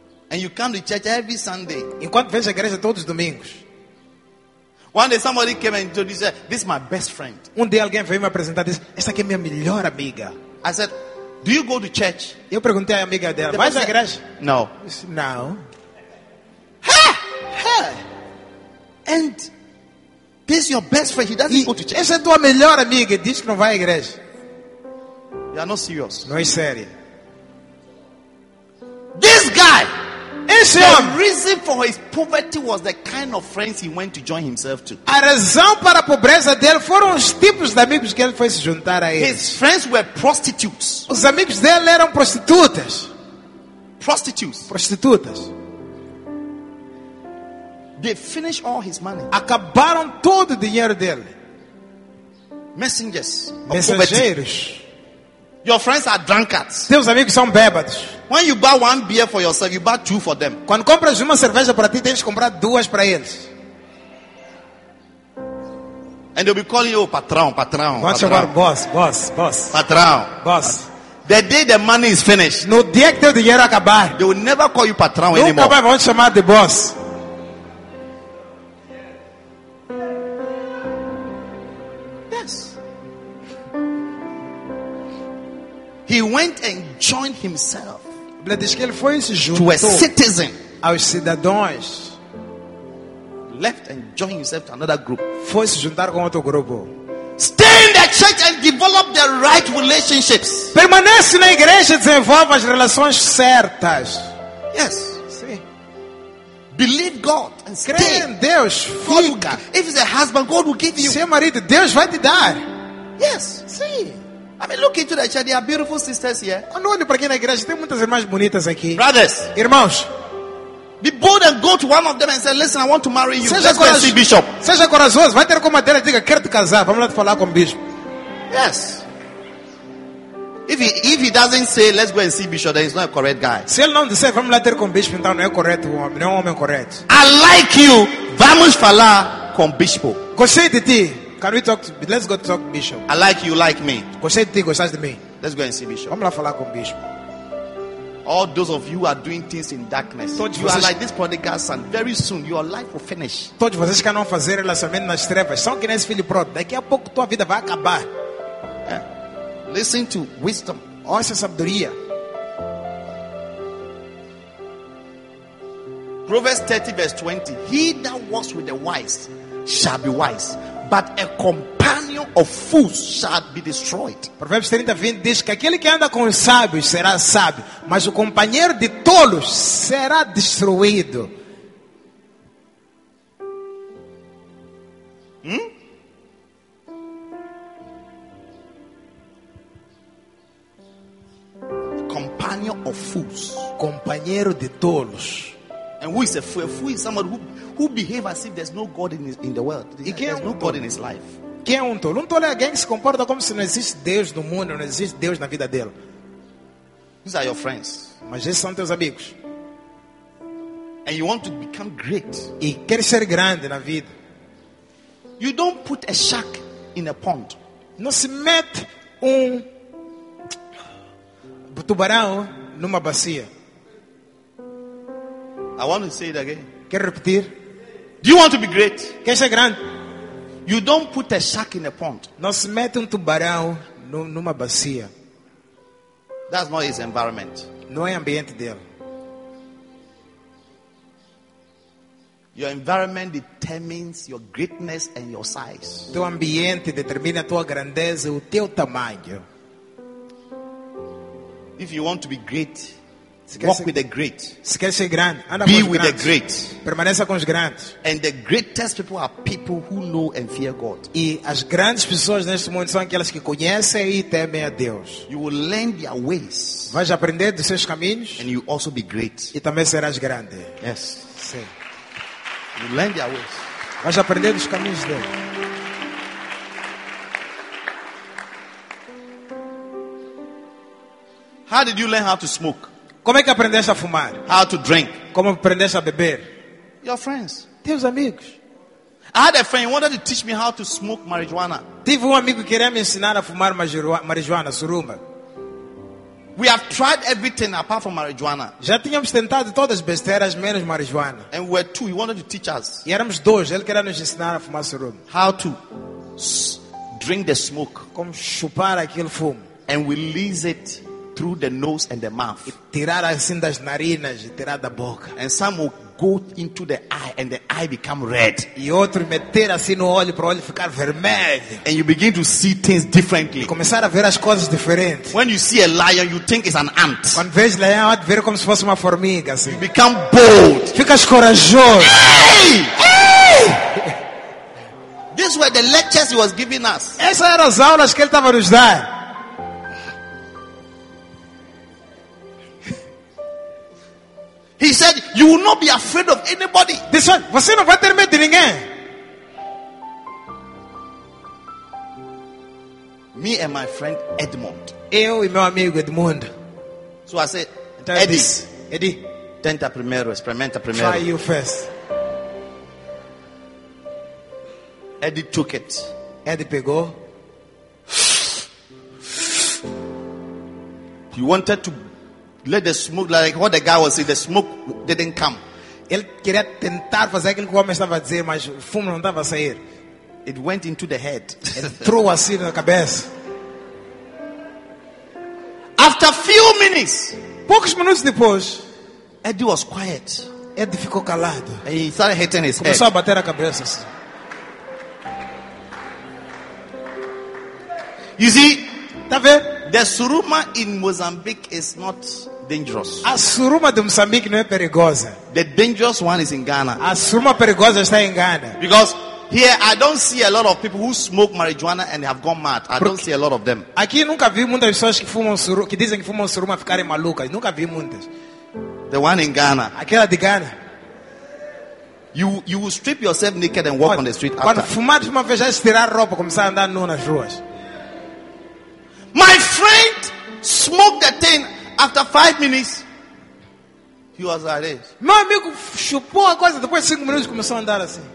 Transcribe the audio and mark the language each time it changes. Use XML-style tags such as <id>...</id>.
<en>And you come to church every Sunday.</en> <pt>Enquanto vem à igreja todos os domingos.</pt> <en>One day somebody came and introduced me. This is my best friend.</en> <pt>Um dia alguém veio me apresentar e disse: essa aqui é minha melhor amiga.</pt> <en>I said, do you go to church?</en> <pt>Eu perguntei à amiga dela: vai à igreja?</pt> <en>No. No. Ha! And this is your best friend. He doesn't go to church.</en> <pt>Essa é tua melhor amiga. Diz que não vai à igreja.</pt> <en>You are not serious.</en> <pt>Não é sério.</pt> <en>This guy,</en> <pt>esse</pt> <en>the</en> <pt>homem,</pt> <en>reason for his poverty was the kind of friends he went to join himself to.</en> <pt>A razão para a pobreza dele foram os tipos de amigos que ele foi se juntar a ele.</pt> <en>His friends were prostitutes.</en> <pt>Os amigos dele eram prostitutas.</pt> <en>Prostitutes.</en> <pt>Prostitutas.</pt> <en>They finished all his money.</en> <pt>Acabaram todo o dinheiro dele.</pt> <en>Messengers.</en> <pt>Mensageiros.</pt> <en>Your friends are drunkards.</en> <pt>Teus amigos são bêbados.</pt> <en>When you buy one beer for yourself, you buy two for them.</en> <pt>Quando compras uma cerveja para ti, tens que comprar duas para eles.</pt> <en>And they'll be calling you patrão, patrão.</en> <pt>Vão chamar boss, boss, boss. Patrão,</pt> <en>boss. The day the money is finished,</en> <pt>no dia que teu dinheiro acabar,</pt> <en>they will never call you patrão</en> <pt>nunca</pt> <en>anymore.</en> <pt>Nunca mais vão chamar de boss.</pt> <en>He went and joined himself.</en> <pt>Ele disse que ele foi e se juntou.</pt> <en>To a citizen.</en> <pt>Aos cidadãos.</pt> <en>Left and joined himself to another group.</en> <pt>Foi se juntar com outro grupo.</pt> <en>Stay in the church and develop the right relationships.</en> <pt>Permanece na igreja e desenvolva as relações certas.</pt> <en>Yes.</en> <pt>Sim.</pt> <en>Believe God and stay.</en> <pt>Crê em Deus. Fica.</pt> <en>If it's a husband, God will give you.</en> <pt>Se é marido, Deus vai te dar.</pt> <en>Yes.</en> <pt>Sim.</pt> <en>I mean, look into the church. There are beautiful sisters here.</en> <pt>Quando olho para aqui na igreja, tem muitas irmãs bonitas aqui.</pt> <en>Brothers,</en> <pt>irmãos,</pt> <en>be bold and go to one of them and say, "Listen, I want to marry you."</en> <pt>Seja corajoso,</pt> <en>bishop.</en> <pt>Seja corajoso. Vai ter com uma delas e diga, quero te casar. Vamos lá te falar com o bispo.</pt> <en>Yes. If he doesn't say, "Let's go and see bishop," then he's not a correct guy.</en> <pt>Se ele não disser, vamos lá ter com o bispo, então não é correto homem. Não é homem correto.</pt> <en>I like you.</en> <pt>Vamos falar com o bispo. Gostei de ti.</pt> <en>Can we talk? Let's go talk, bishop. I like you, like me.</en> <pt>Gostei de ti, me.</pt> <en>Let's go and see bishop.</en> <pt>Vamos lá falar com bishop.</pt> <en>All those of you who are doing things in darkness.</en> <pt>Todos</pt> <en>you</en> <pt>vocês</pt> <en>are like this prodigal son. Very soon, your life will finish.</en> <pt>Todos vocês que não fazer relacionamento nas trevas, são que nesse filho pródigo. Daqui a pouco, tua vida vai acabar.</pt> <en>Yeah. Listen to wisdom.</en> <pt>Ouça a sabedoria.</pt> <en>Proverbs 30 verse 20. He that walks with the wise shall be wise, but a companion of fools shall be destroyed.</en> <pt>Provérbios 30, 20 diz que aquele que anda com os sábios será sábio, mas o companheiro de tolos será destruído.</pt> <en>Companion of fools.</en> <pt>Companheiro de tolos.</pt> <en>And who is a fool? A fool is someone who behaves as if there's no God in the world. There's no God in his life.</en> <pt>Quem é um tolo? Um tolo é alguém que se comporta como se não existe Deus no mundo, não existe Deus na vida dele.</pt> <en>These are your friends.</en> <pt>Mas esses são teus amigos.</pt> <en>And you want to become great.</en> <pt>E quer ser grande na vida.</pt> <en>You don't put a shark in a pond.</en> <pt>Não se mete um tubarão numa bacia.</pt> <en>I want to say it again.</en> <pt>Quer repetir?</pt> <en>Do you want to be great?</en> <pt>Quer ser grande?</pt> <en>You don't put a shark in a pond.</en> <pt>Não se mete tubarão numa bacia.</pt> <en>That's not his environment.</en> <pt>Não é ambiente dele.</pt> <en>Your environment determines your greatness and your size.</en> <pt>Teu ambiente determina a tua grandeza e o teu tamanho.</pt> <en>If you want to be great, walk with the great.</en> <pt>Se quer ser grande, anda</pt> <en>be</en> <pt>com os</pt> <en>with</en> <pt>grandes.</pt> <en>The great.</en> <pt>Permaneça com os grandes.</pt> <en>And the greatest people are people who know and fear God.</en> <pt>E as grandes pessoas neste mundo são aquelas que conhecem e temem a Deus.</pt> <en>You will learn their ways.</en> <pt>Vais aprender dos seus caminhos.</pt> <en>And you also be great.</en> <pt>E também serás grande.</pt> <en>Yes.</en> <pt>Sim.</pt> <en>You learn their ways.</en> <pt>Vais aprender dos caminhos dele.</pt> <en>How did you learn how to smoke?</en> <pt>Como é que aprendeste a fumar?</pt> <en>How to drink?</en> <pt>Como aprendeste a beber?</pt> <en>Your friends.</en> <pt>Teus amigos.</pt> <en>I had a friend who wanted to teach me how to smoke marijuana.</en> <pt>Tive amigo que queria me ensinar a fumar marijuana, suruma.</pt> <en>We have tried everything apart from marijuana.</en> <pt>Já tínhamos tentado todas as besteiras menos marijuana.</pt> <en>And we were two. He wanted to teach us.</en> <pt>E éramos dois. Ele queria nos ensinar a fumar suruma.</pt> <en>How to drink the smoke.</en> <pt>Como chupar aquele fumo.</pt> <en>And release it through the nose and the mouth.</en> <pt>E tirar assim das narinas, e tirar da boca.</pt> <en>And some will go into the eye and the eye become red.</en> <pt>E outro meter assim no olho para o olho ficar vermelho.</pt> <en>And you begin to see things differently.</en> <pt>E começar a ver as coisas diferente.</pt> <en>When you see a lion, you think it's an ant.</en> <pt>Quando vês leão, vê como se fosse uma formiga assim.</pt> <en>You become bold.</en> <pt>Ficas corajoso. Hey! Hey!</pt> <en>These were the lectures he was giving us.</en> <pt>Essas eram as aulas que ele estava nos dando.</pt> <en>He said, "You will not be afraid of anybody." This one,</en> <pt>você não vai ter medo de ninguém.</pt> <en>Me and my friend Edmond.</en> <pt>Eu e meu amigo Edmond.</pt> <en>So I said,</en> <pt>então, Eddie, tenta primeiro, experimenta primeiro.</pt> <en>Try you first. Eddie took it.</en> <pt>Eddie pegou.</pt> <en>He wanted to. Let the smoke, like what the guy was saying, the smoke didn't come.</en> <pt>Ele queria tentar fazer aquilo que o homem estava a dizer, mas o fumo não estava a sair.</pt> <en>It went into the head.</en> <pt>Entrou assim na cabeça.</pt> <en>After few minutes,</en> <pt>poucos minutos depois,</pt> <en>Eddie was quiet.</en> <pt>Eddie ficou calado.</pt> <en>And he started hitting his head.</en> <pt>Começou a bater a cabeça.</pt> <en>You see,</en> <pt>tá vendo?</pt> <en>The suruma in Mozambique is not dangerous.</en> <pt>A suruma de Moçambique não é perigosa.</pt> <en>The dangerous one is in Ghana.</en> <pt>A suruma perigosa está em Ghana.</pt> <en>Because here I don't see a lot of people who smoke marijuana and have gone mad. I don't see a lot of them.</en> <pt>Aqui nunca vi muitas pessoas que fumam suruma, que dizem que fumam suruma ficarem malucas. Nunca vi muitas.</pt> <en>The one in Ghana.</en> <pt>Aquela de Ghana.</pt> <en>You will strip yourself naked and walk on the street.</en> <pt>Quando fumar, uma vez já estirar roupa, começar a andar nu nas ruas.</pt> <en>My friend smoked the thing after 5 minutes. He was like this.</en> <pt>Meu amigo chupou a coisa depois de 5 minutos começou a andar assim.</pt>